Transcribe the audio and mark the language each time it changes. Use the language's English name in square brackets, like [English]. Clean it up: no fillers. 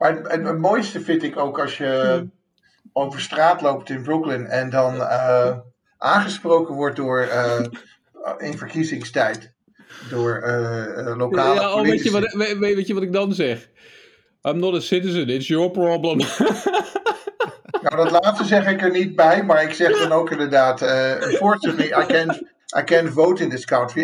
[Dutch] Het mooiste vind ik ook als je over straat loopt in Brooklyn en dan aangesproken wordt door in verkiezingstijd door lokale politici. Weet je wat ik dan zeg? [English] I'm not a citizen, it's your problem. [Dutch] Nou, dat laatste zeg ik er niet bij, maar ik zeg dan ook inderdaad, [English] unfortunately, I can't vote in this country.